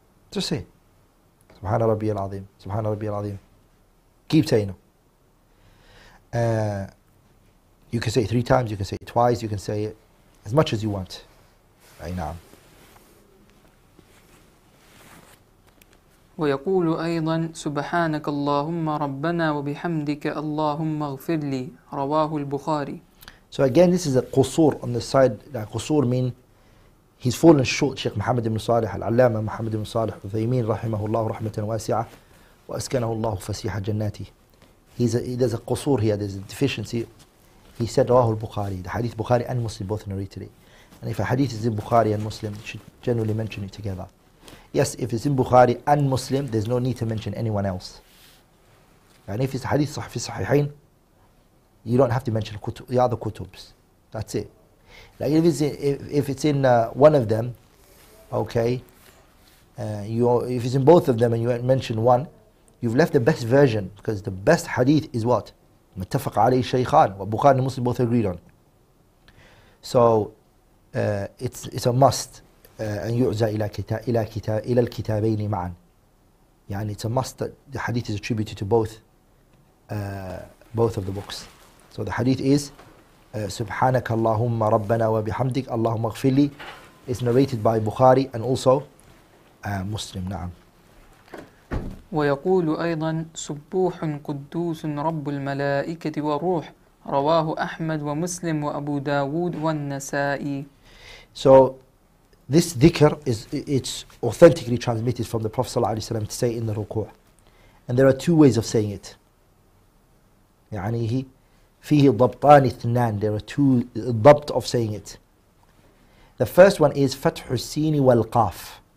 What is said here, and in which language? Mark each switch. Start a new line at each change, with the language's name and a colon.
English: Just say,
Arabic: سبحان ربي العظيم, سبحان ربي العظيم.
English: Keep saying it. You can say it three times, you can say it twice, you can say it as much as you want. Aynam.
Arabic: ويقول أيضا سبحانك اللهم ربنا وبحمدك اللهم اغفر لي رواه البخاري.
English: So again, this is a قصور on the side. That قصور mean he's fallen short.
Arabic: Sheikh Muhammad ibn Salih العلامة محمد بن صالح الثيمين رحمه الله رحمة واسعة وأسكنه الله فسيح جناته.
English: There's a qusur here, there's a deficiency. He said Rahu al-Bukhari, the hadith Bukhari and Muslim both narrated it. And if a hadith is in Bukhari and Muslim, you should generally mention it together. Yes, if it's in Bukhari and Muslim, there's no need to mention anyone else. And if it's a hadith fi sahihain, you don't have to mention the other kutubs. That's it. Like if it's in one of them, okay, if it's in both of them and you mention one, you've left the best version, because the best hadith is what?
Arabic: متفق عليه الشيخان.
English: What Bukhari and Muslim both agreed on. So it's a must.
Arabic: أن يعزى إلى الكتابين معا.
English: يعني it's a must that the hadith is attributed to both of the books. So the hadith is
Arabic: سبحانك اللهم ربنا وبحمدك اللهم اغفر لي.
English: It's narrated by Bukhari and also Muslim. نعم.
Arabic: ويقول أيضا سبوح قدوس رب الملائكة والروح رواه أحمد ومسلم وأبو داود والنسائي.
English: So this dhikr is it's authentically transmitted from the Prophet ﷺ to say in the ruku'. And there are two ways of saying it.
Arabic: يعنيه فيه ضبطان اثنان.
English: There are two ضبط of saying it. The first one is
Arabic: فتح السين والقاف.